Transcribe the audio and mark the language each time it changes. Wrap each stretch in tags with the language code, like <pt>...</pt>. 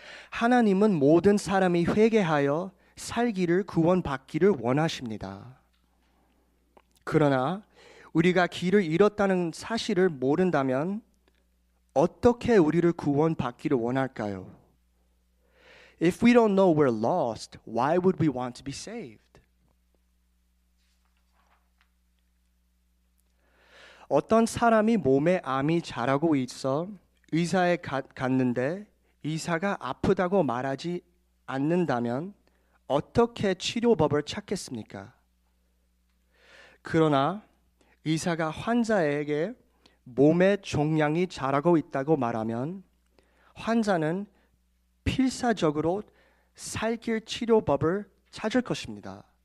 <ko>하나님은 모든 사람이 회개하여 살기를, 구원받기를 원하십니다. 그러나 우리가 길을 잃었다는 사실을 모른다면 어떻게 우리를 구원받기를 원할까요?</ko> <en>If we don't know we're lost, why would we want to be saved?</en> <ko>어떤 사람이 몸에 암이 자라고 있어 의사에 갔는데 의사가 아프다고 말하지 않는다면 어떻게 치료법을 찾겠습니까? 그러나 의사가 환자에게 몸에 종양이 자라고 있다고 말하면 환자는 필사적으로 살길 치료법을 찾을 것입니다.</ko>